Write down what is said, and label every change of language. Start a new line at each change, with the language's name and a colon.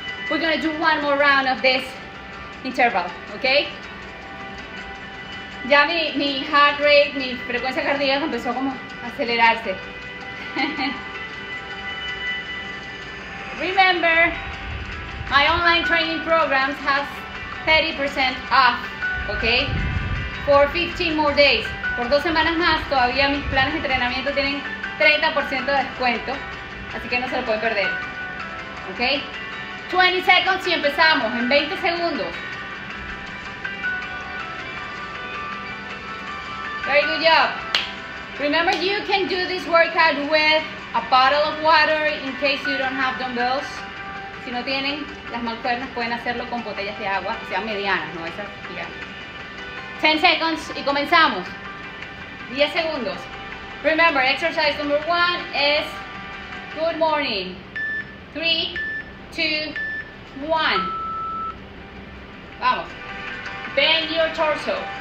English: We're gonna do one more round of this interval, ok?
Spanish: Ya mi heart rate, mi frecuencia cardíaca empezó como a acelerarse.
English: Remember, my online training programs has 30% off, ok? For 15 more days.
Spanish: Por 2 semanas más, todavía mis planes de entrenamiento tienen 30% de descuento. Así que no se lo pueden perder. ¿Ok?
English: 20 seconds
Spanish: y empezamos. En 20 segundos.
English: Very good job. Remember, you can do this workout with a bottle of water in case you don't have dumbbells.
Spanish: Si no tienen las mancuernas, pueden hacerlo con botellas de agua. O sea, medianas, no esas gigantes.
English: 10 seconds
Spanish: y comenzamos. 10 segundos.
English: Remember, exercise number 1 is... Good morning. 3, 2, 1.
Spanish: Vamos.
English: Bend your torso.